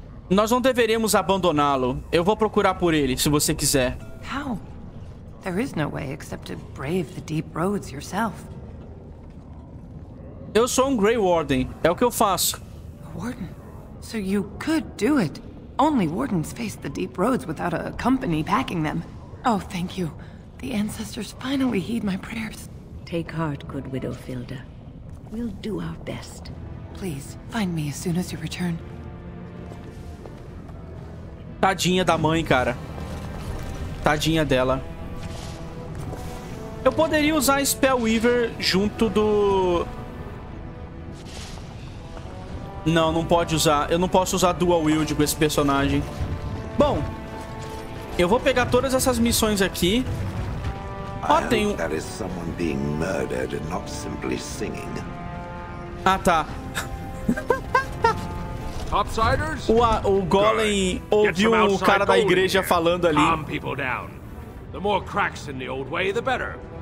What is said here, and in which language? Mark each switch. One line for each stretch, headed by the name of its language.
Portuguese: Nós não deveríamos abandoná-lo. Eu vou procurar por ele, se você quiser.
English: How? There is no way except to brave the deep roads yourself.
Portuguese: Eu sou um Grey Warden. É o que eu faço.
English: A warden? So you could do it. Only wardens face the deep roads without a company packing them. Oh, thank you. The ancestors finally heed my prayers. Take heart, good Widow Filda. We'll do our best. Please, find me as soon as you return.
Portuguese: Tadinha da mãe, cara. Tadinha dela. Eu poderia usar Spellweaver junto do... Não, não pode usar. Eu não posso usar Dual Wield com esse personagem. Bom, eu vou pegar todas essas missões aqui. Ó, tem um...
English: That is someone being murdered and not simply singing.
Portuguese: Ah, tá.
English: Topsiders?
Portuguese: O Golem ouviu o cara da igreja falando ali.
English: Calm people down. The more cracks in the old way, the better.